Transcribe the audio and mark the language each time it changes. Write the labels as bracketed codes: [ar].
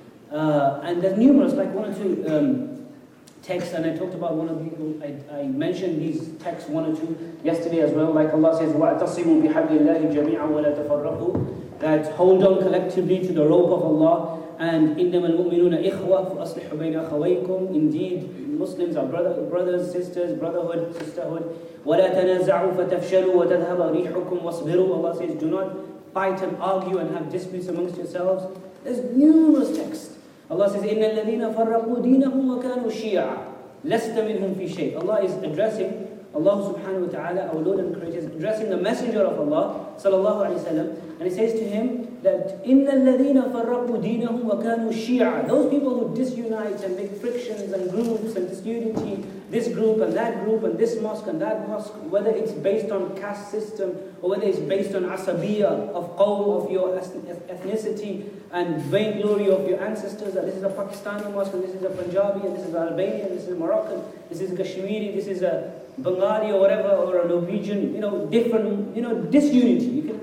[en] And there's numerous, like one or two texts, and I talked about one of the, I mentioned these texts, one or two, yesterday as well, like Allah says, [ar] وَاَتَصِمُوا بِحَبْلِ اللَّهِ جَمِيعًا وَلَا تَفَرَّقُوا, [en] that hold on collectively to the rope of Allah, and [ar] إِنَّمَا الْمُؤْمِنُونَ إِخْوَةُ فَأَصْلِحُوا بَيْنَ أَخَوَيْكُمْ, [en] indeed, Muslims are brothers, sisters, brotherhood, sisterhood. [ar] وَلَا تَنَازَعُوا فَتَفْشَلُوا وَتَذْهَبَ رِيحُكُمْ وَاصْبِرُوا. [en] Allah says, do not fight and argue and have disputes amongst yourselves. There's numerous texts. Allah says, [ar] إِنَّ الَّذِينَ فَرَّقُوا دِينَهُمْ وَكَانُوا شِيَعًا لَسْتَ مِنْهُمْ فِي شَيْءٍ. [en] Allah is addressing, Allah subhanahu wa ta'ala, our Lord and Creator, is addressing the Messenger of Allah, sallallahu alayhi wa sallam, and he says to him that, [ar] إِنَّ الَّذِينَ فَرَّقُوا دِينَهُمْ وَكَانُوا شِيَعًا. [en] Those people who disunite and make frictions and groups and disunity, this group and this mosque and that mosque, whether it's based on caste system or whether it's based on asabiyya of qawm, of your ethnicity and vainglory of your ancestors, that this is a Pakistani mosque and this is a Punjabi and this is Albanian, this is Moroccan, this is Kashmiri, this is a Bengali or whatever, or a Norwegian, you know, different, you know, disunity. You can